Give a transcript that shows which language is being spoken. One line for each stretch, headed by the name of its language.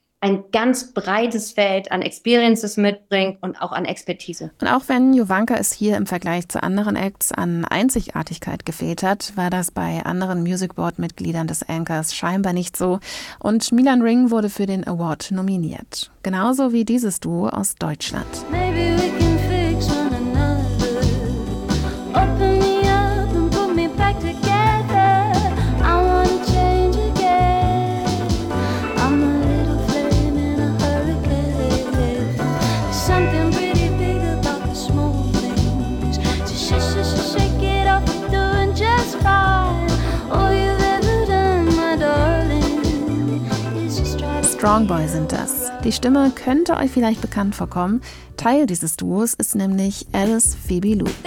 German: ein ganz breites Feld an Experiences mitbringt und auch an Expertise. Und auch wenn Juvanka es hier im Vergleich zu anderen Acts an Einzigartigkeit gefehlt hat, war das bei anderen Music Board-Mitgliedern des Anchors scheinbar nicht so. Und Milan Ring wurde für den Award nominiert. Genauso wie dieses Duo aus Deutschland.
English: Maybe we can fix one another. Open me up and put me back together. I wanna change again. I'm a little flame in a hurricane. There's something pretty big about the small things. Shake it off, you're doing just fine. All you've ever done, my darling, is just try to...
German: Strong Boy sind das. Die Stimme könnte euch vielleicht bekannt vorkommen. Teil dieses Duos ist nämlich Alice Phoebe Lou.